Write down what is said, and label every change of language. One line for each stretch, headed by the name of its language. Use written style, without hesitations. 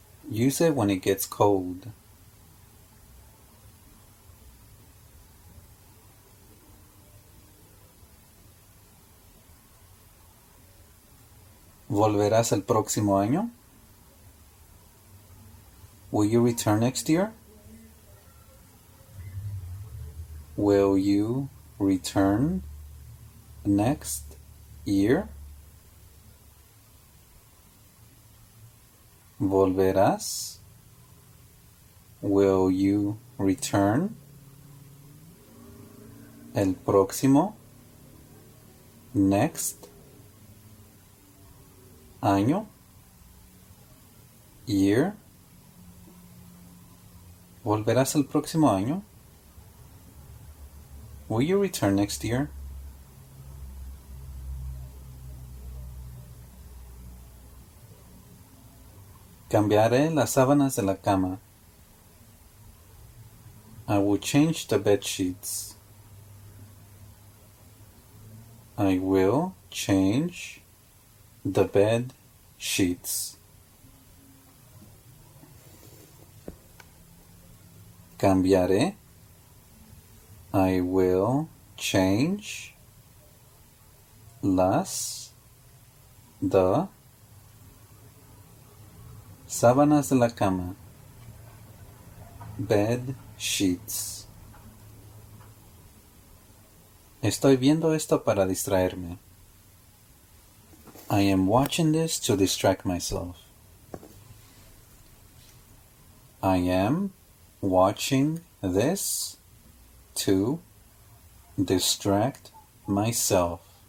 English: Use it when it gets cold.
Spanish: ¿Volverás el próximo año?
English: Will you return next year? Will you return next year?
Spanish: ¿Volverás?
English: Will you return
Spanish: el próximo
English: next
Spanish: año?
English: Year?
Spanish: ¿Volverás el próximo año?
English: Will you return next year?
Spanish: Cambiaré las sábanas de la cama.
English: I will change the bed sheets. I will change the bed sheets.
Spanish: Cambiaré.
English: I will change
Spanish: las
English: the
Spanish: sábanas de la cama,
English: bed sheets.
Spanish: Estoy viendo esto para distraerme.
English: I am watching this to distract myself. I am watching this to distract myself.